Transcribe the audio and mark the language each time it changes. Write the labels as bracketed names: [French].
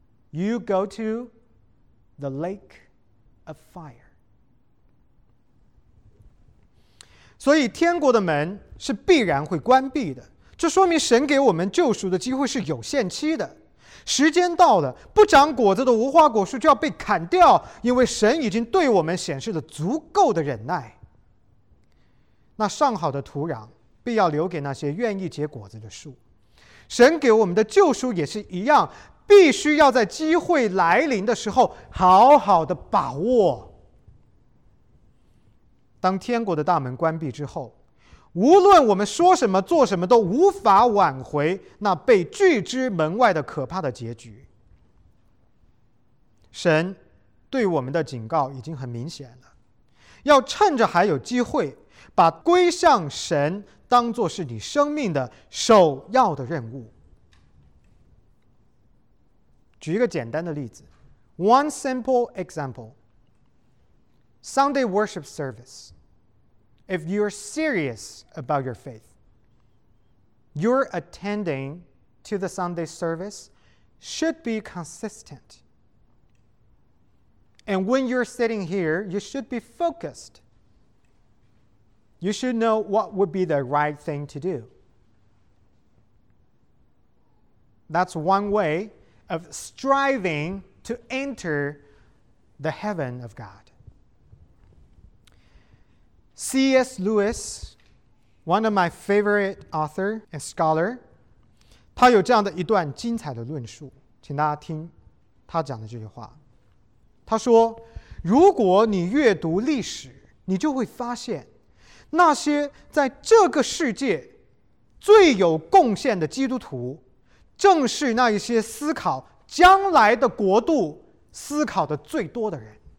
[English] You go to the lake of fire. [Chinese] 所以天国的门是必然会关闭的，这说明神给我们救赎的机会是有限期的。时间到了，不长果子的无花果树就要被砍掉，因为神已经对我们显示了足够的忍耐。那上好的土壤必要留给那些愿意结果子的树。神给我们的救赎也是一样，必须要在机会来临的时候好好的把握。当天国的大门关闭之后，无论我们说什么做什么都无法挽回那被拒之门外的可怕的结局。神对我们的警告已经很明显了，要趁着还有机会，把归向神当作是你生命的首要的任务。举一个简单的例子， [English] One simple example. Sunday worship service. If you are serious about your faith, your attending to the Sunday service should be consistent. And when you're sitting here, you should be focused. You should know what would be the right thing to do. That's one way of striving to enter the heaven of God. C.S. [Chinese] Lewis, [English] one of my favorite author and scholar, [Chinese] 他有这样的一段精彩的论述，请大家听他讲的这句话。他说，如果你阅读历史，你就会发现，那些在这个世界最有贡献的基督徒，正是那一些思考将来的国度思考的最多的人。